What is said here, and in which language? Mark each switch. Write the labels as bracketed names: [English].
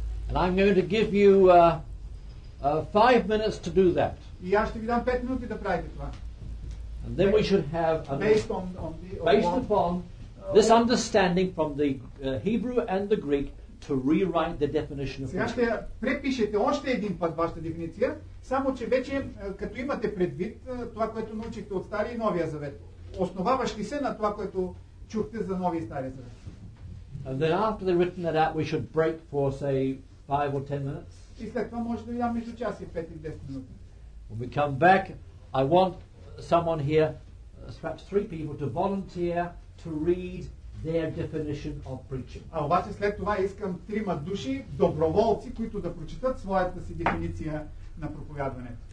[English] And I'm going to give you 5 minutes to do that. [Bulgarian] И аз ще ви дам 5 минути да правите това. [English] And then we should have based upon this understanding from the Hebrew and the Greek to rewrite the definition of preaching. [Bulgarian] Сега ще препишете още един път вашата дефиниция, само че вече като имате предвид това, което научихте от Стария и Новия Завет, основаващи се на това, което чухте за Новия и Стария Завет. [English] And then after they've written that out, we should break for, say, 5 or 10 minutes. [Bulgarian] И след това може да ви дам между час и 5 и 10 минути. [English] When we come back, I want someone here, perhaps 3 people, to volunteer to read their definition of preaching. [Bulgarian] А обаче след това искам 3 души, доброволци, които да прочитат своята си дефиниция на проповядването.